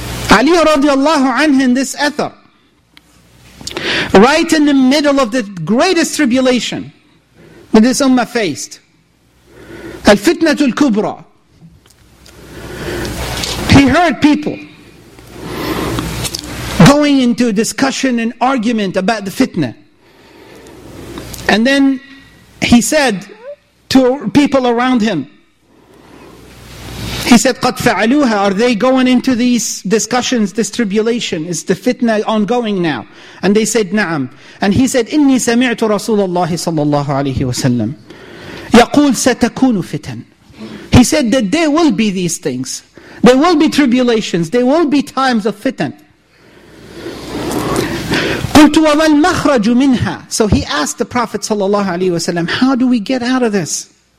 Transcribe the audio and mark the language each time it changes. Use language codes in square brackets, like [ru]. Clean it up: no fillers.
[en] Ali radiallahu anhu in this ether, right in the middle of the greatest tribulation that this ummah faced, Al-Fitnatul Kubra, he heard people going into discussion and argument about the fitna. And then he said to people around him, he said, [ar] قَدْ فَعَلُوهَا. [en] Are they going into these discussions, this tribulation? Is the fitna ongoing now? And they said, نعم. And he said, [ar] إِنِّي سَمِعْتُ رَسُولَ اللَّهِ صَلَّى اللَّهُ عَلَيْهِ وَسَلَّمْ يَقُولْ سَتَكُونُ فِتَنْ. [en] He said that there will be these things. There will be tribulations. There will be times of fitan. [ar] قُلْتُ وَمَا الْمَخْرَجُ مِنْهَا. [en] So he asked the Prophet ﷺ, how do we get out of this?